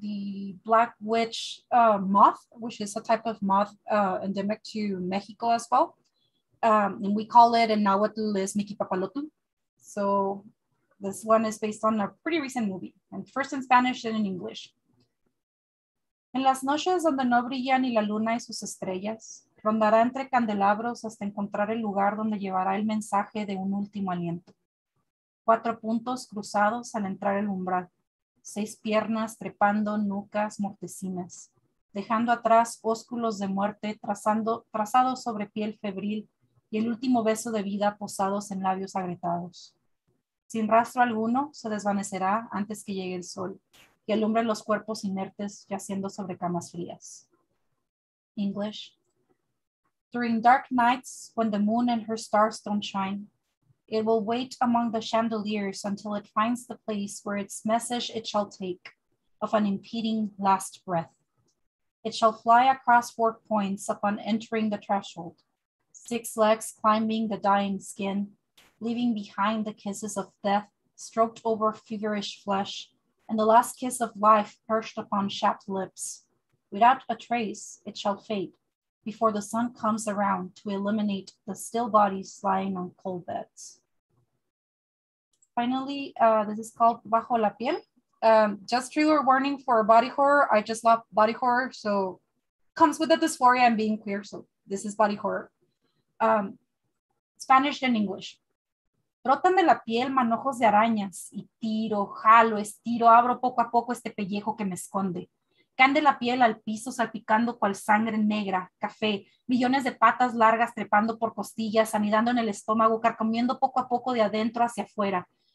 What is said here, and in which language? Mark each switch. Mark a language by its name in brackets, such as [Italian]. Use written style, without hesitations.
[English] The black witch moth, which is a type of moth endemic to Mexico as well. And we call it in Nahuatl is Miki Papalotl. So this one is based on a pretty recent movie, and first in Spanish and in English. [Spanish] En las noches donde no brillan ni la luna y sus estrellas, rondará entre candelabros hasta encontrar el lugar donde llevará el mensaje de un último aliento. Cuatro puntos cruzados al entrar el umbral, seis piernas trepando nucas mortecinas, dejando atrás ósculos de muerte trazados sobre piel febril y el último beso de vida posados en labios agrietados. Sin rastro alguno, se desvanecerá antes que llegue el sol y alumbre los cuerpos inertes yaciendo sobre camas frías. [English] English. During dark nights, when the moon and her stars don't shine, it will wait among the chandeliers until it finds the place where its message it shall take of an impeding last breath. It shall fly across four points upon entering the threshold, six legs climbing the dying skin, leaving behind the kisses of death stroked over feverish flesh, and the last kiss of life perched upon chapped lips. Without a trace, it shall fade before the sun comes around to eliminate the still bodies lying on cold beds. Finally, this is called Bajo la Piel. Just trigger warning for body horror. I just love body horror, so comes with the dysphoria and being queer, so this is body horror. Spanish and English. [Spanish] Brotan de la piel manojos de arañas y tiro, jalo, estiro, abro poco a poco este pellejo que me esconde. Caen de la piel al piso salpicando cual sangre negra, café, millones de patas largas trepando por costillas, anidando en el estómago, carcomiendo poco a poco de adentro hacia afuera.